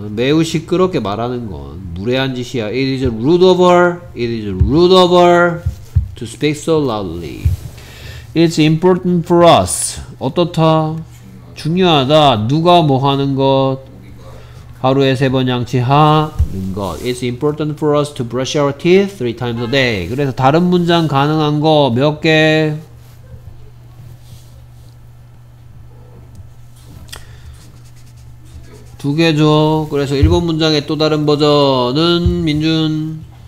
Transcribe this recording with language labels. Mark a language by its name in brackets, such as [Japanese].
[Korean] 매우 시끄럽게 말하는 건 무례한 짓이야. [English] It is rude of her. It is rude of her to speak so loudly. It's important for us. 어떻다? 중요하다. [Korean] 누가 뭐 하는 것? 하루에 세 번 양치하는 것. [English] It's important for us to brush our teeth 3 times a day. [Korean] 그래서 다른 문장 가능한 거 몇 개? 두 개죠. 그래서 일본 문장의 또 다른 버전은 민준.